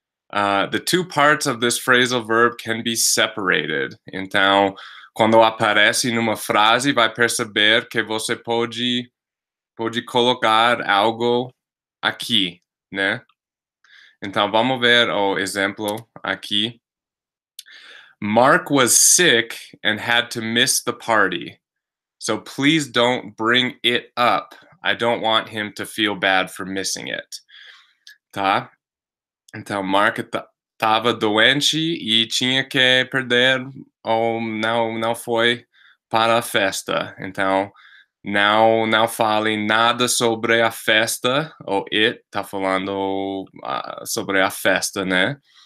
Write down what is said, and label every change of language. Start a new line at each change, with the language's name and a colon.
English: The two parts of this phrasal verb can be separated.
Portuguese: Então, quando aparece numa frase, vai perceber que você pode colocar algo aqui, né? Então, vamos ver o exemplo aqui.
English: Mark was sick and had to miss the party. So please don't bring it up. I don't want him to feel bad for missing it.
Portuguese: Tá? Então, Mark tava doente e tinha que perder ou não foi para a festa. Então, não fale nada sobre a festa. Ou it tá falando sobre a festa, né?